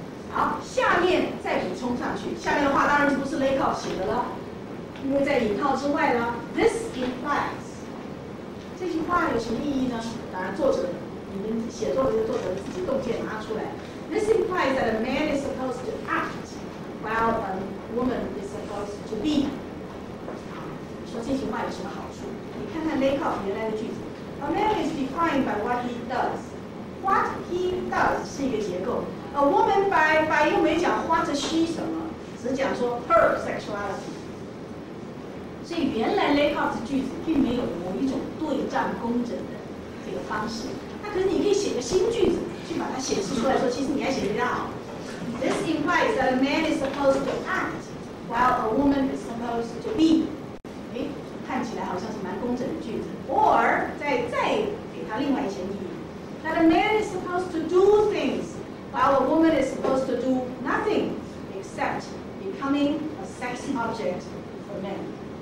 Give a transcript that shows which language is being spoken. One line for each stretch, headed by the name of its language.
Chinese: 好，下面再补充上去，下面的话当然不是 Lakoff 写的了，因为在引号之外呢，
English: This implies，
Chinese: 这句话有什么意义呢？当然作者，你们写作的作者自己洞见拿出来。
English: This implies that a man is supposed to act while a woman is supposed to be。
Chinese: 你说这句话有什么好处？你看看 Lakoff 原来的句子，
English: A man is defined by what he does。 What he does
Chinese: 是一个结构，
English: A woman by
Chinese: 又没讲
English: what she
Chinese: 什么，只讲说
English: her sexuality。
Chinese: 所以原来 Lakoff 的句子并没有某一种对仗工整的这个方式，它可是你可以写个新句子去把它显示出来说，其实你还写不到。
English: This implies that a man is supposed to act while a woman is supposed to be.
Chinese: 看起来好像是蛮工整的句子。
English: Or
Chinese: 再给它另外一些意义。
English: That a man is supposed to do things while a woman is supposed to do nothing except becoming a sex object for men.